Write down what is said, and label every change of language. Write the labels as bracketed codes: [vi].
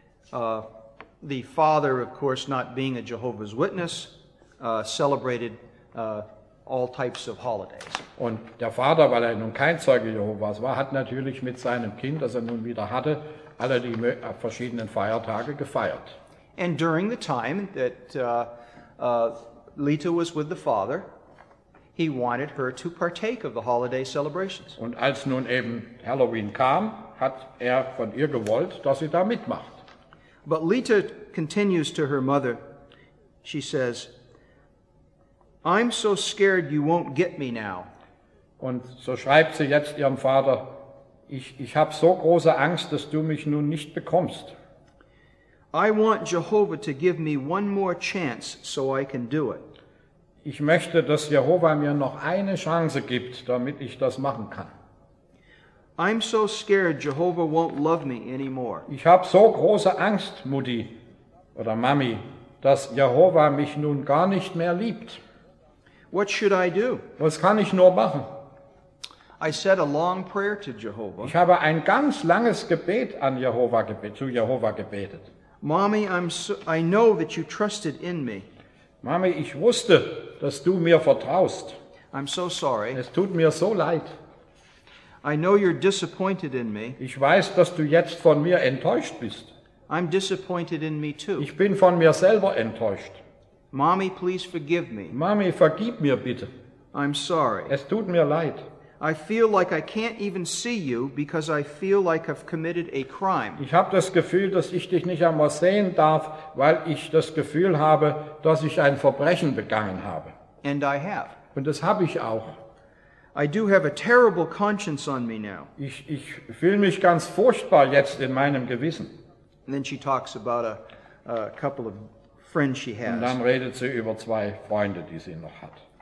[en] The father, of course, not being a Jehovah's Witness, celebrated all types of holidays. [de] Und der Vater, weil er nun kein Zeuge Jehovas war, hat natürlich mit seinem Kind, das er nun wieder hatte, alle die verschiedenen Feiertage gefeiert. [en] And during the time that Lita was with the father, he wanted her to partake of the holiday celebrations. [de] Und als nun eben Halloween kam, hat von ihr gewollt, dass sie da mitmacht. [en] But Lita continues to her mother. She says, "I'm so scared you won't get me now." [de] Und so schreibt sie jetzt ihrem Vater, ich habe so große Angst, dass du mich nun nicht bekommst. [en] I want Jehovah to give me one more chance so I can do it. [de] Ich möchte, dass Jehova mir noch eine Chance gibt, damit ich das machen kann. [en] I'm so scared Jehovah won't love me anymore. [de] Ich habe so große Angst, Mutti oder Mami, dass Jehova mich nun gar nicht mehr liebt. [en] What should I do? [de] Was kann ich nur machen? [en] I said a long prayer to Jehovah. [de] Ich habe ein ganz langes Gebet an Jehova zu Jehova gebetet. [en] Mommy, I know that you trusted in me. [de] Mami, ich wusste, dass du mir vertraust. [en] I'm so sorry. [de] Es tut mir so leid. [en] I know you're disappointed in me. [de] Ich weiß, dass du jetzt von mir enttäuscht bist. [en] I'm disappointed in me too. [de] Ich bin von mir selber enttäuscht. [en] Mommy, please forgive me. [de] Mami, vergib mir bitte. [en] I'm sorry. [de] Es tut mir leid. [en] I feel like I can't even see you because I feel like I've committed a crime. [de] Ich habe das Gefühl, dass ich dich nicht einmal sehen darf, weil ich das Gefühl habe, dass ich ein Verbrechen begangen habe. [en] And I have. [de] Und das habe ich auch. [en] I do have a terrible conscience on me now. [de] Ich fühle mich ganz furchtbar jetzt in meinem Gewissen. [en] And then she talks about a couple of friends she has. [de] Und dann redet sie über zwei Freunde, die sie noch hat.